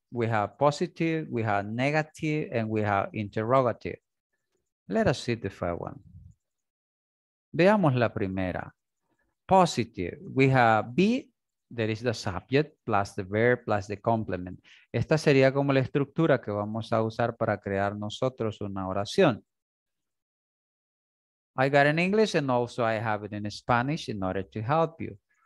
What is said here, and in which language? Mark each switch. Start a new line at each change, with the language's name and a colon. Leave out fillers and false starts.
English: We have positive, we have negative, and we have interrogative. Let us see the first one.
Spanish: Veamos la primera.
English: Positive, we have be, that is the subject, plus the verb, plus the complement.
Spanish: Esta sería como la estructura que vamos a usar para crear nosotros una oración.
English: I got it in English and also I have it in Spanish in order to help you.